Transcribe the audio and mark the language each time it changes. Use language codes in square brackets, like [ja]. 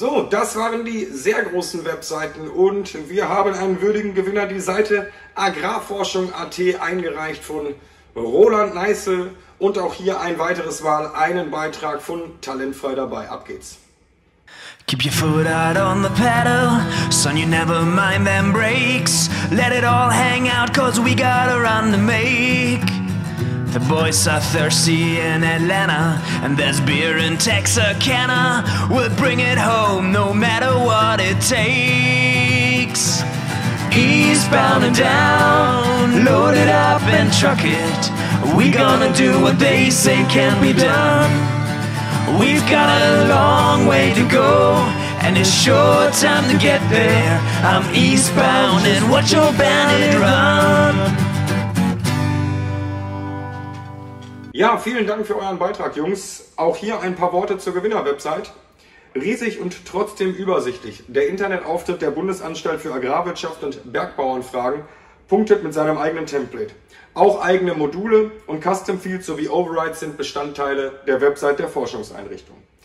[de] Das waren die sehr großen Webseiten und wir haben einen würdigen Gewinner, die Seite agrarforschung.at, eingereicht von Roland Neißel, und auch hier ein weiteres Mal einen Beitrag von Talentfrei dabei. Ab geht's. [en] Keep your foot out on the pedal, son, you never mind them brakes. Let it all hang out, cause we got a run to make. The boys are thirsty in Atlanta, and there's beer in Texarkana. We'll bring it home no matter what it takes. Eastbound and down, load it up and truck it. We gonna do what they say can't be done. We've got a long way to go, and it's sure time to get there. I'm eastbound and watch your bandit run. [de] Ja, vielen Dank für euren Beitrag, Jungs. Auch hier ein paar Worte zur Gewinner-Website. Riesig und trotzdem übersichtlich. Der Internetauftritt der Bundesanstalt für Agrarwirtschaft und Bergbauernfragen punktet mit seinem eigenen Template. Auch eigene Module und Custom Fields sowie Overrides sind Bestandteile der Website der Forschungseinrichtung.